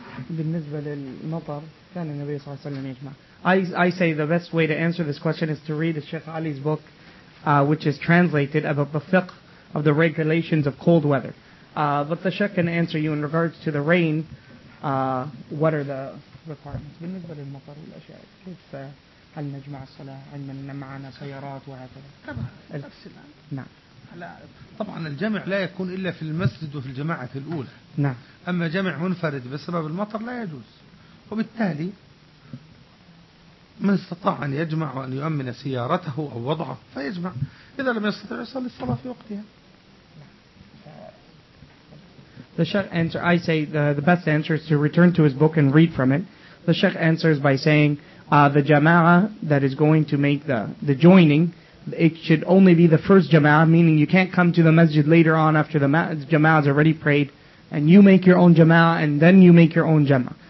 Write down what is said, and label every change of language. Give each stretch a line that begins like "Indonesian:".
Arabic: بالنسبة للمطر كان النبي صلى الله عليه وسلم يجمع.
English: I say the best way to answer this question is to read Sheikh Ali's book, which is translated about the fiqh of the regulations of cold weather. But the Sheikh can answer you in regards to the rain. What are the requirements?
Arabic: بالنسبة للمطر والأشياء كيف هل نجمع الصلاة علما أن معنا سيارات وهكذا؟ نعم. لا طبعا الجمع لا يكون إلا في المسجد وفي الجماعة الأولى. نعم. أما جمع منفرد بسبب المطر لا يجوز، وبالتالي من استطاع أن يجمع وأن يؤمن سيارته أو وضعه فيجمع، إذا لم يستطع يصلي الصلاة في وقتها.
English: The Sheikh answer, I say the best answer is to return to his book and read from it. The Sheikh answers by saying the jama'ah that is going to make the joining, it should only be the first jama'ah, meaning you can't come to the masjid later on after the jama'ah is already prayed, and you make your own jama'ah, and then you make your own jama'ah.